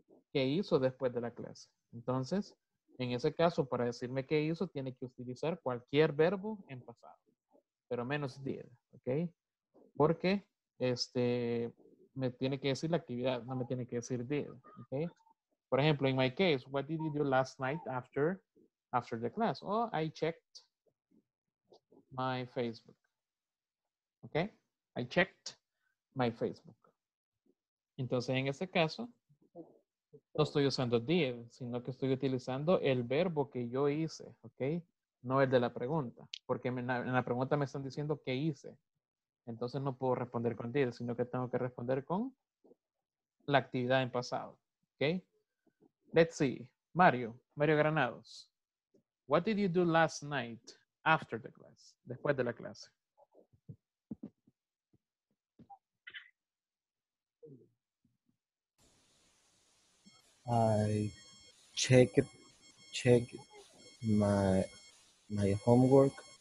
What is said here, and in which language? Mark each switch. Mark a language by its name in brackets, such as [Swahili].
[Spanish] ¿Qué hizo después de la clase? Entonces, en ese caso, para decirme qué hizo, tiene que utilizar cualquier verbo en pasado. Pero menos did, ¿ok? Porque me tiene que decir la actividad, no me tiene que decir did, ¿ok? Por ejemplo, [English] in my case, what did you do last night after the class? Oh, I checked my Facebook, ¿ok? I checked my Facebook. [Spanish] Entonces, en ese caso, no estoy usando did, sino que estoy utilizando el verbo que yo hice, ¿ok? No el de la pregunta, porque en la pregunta me están diciendo qué hice. Entonces no puedo responder con did, sino que tengo que responder con la actividad en pasado. [English] Okay? Let's see. Mario Granados. What did you do last night after the class? [Spanish] Después de la clase. [English] I checked my homework.